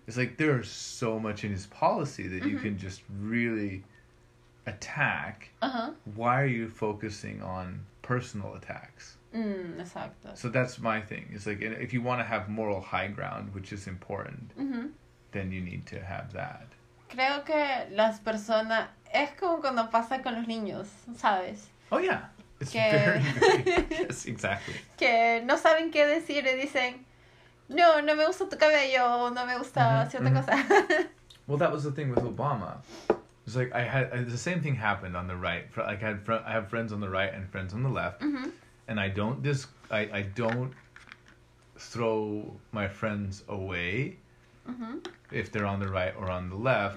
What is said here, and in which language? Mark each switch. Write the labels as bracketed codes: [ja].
[en] It's like, there's so much in his policy that mm-hmm. you can just really attack. Uh-huh. Why are you focusing on personal attacks? [es] Mm, exacto. [en] So that's my thing. It's like, if you want to have moral high ground, which is important, mm-hmm. then you need to have that. [es] Creo que las personas... Es como cuando pasa con los niños, ¿sabes? [en] Oh, yeah. It's que... very, very... Yes, exactly. [es] Que no saben qué decir y dicen, no, no me gusta tu cabello, no me gusta mm-hmm, cierta mm-hmm. cosa. [en] Well, that was the thing with Obama. It's like, the same thing happened on the right. Like, I have friends on the right and friends on the left. Mm-hmm. And I don't throw my friends away mm-hmm. if they're on the right or on the left.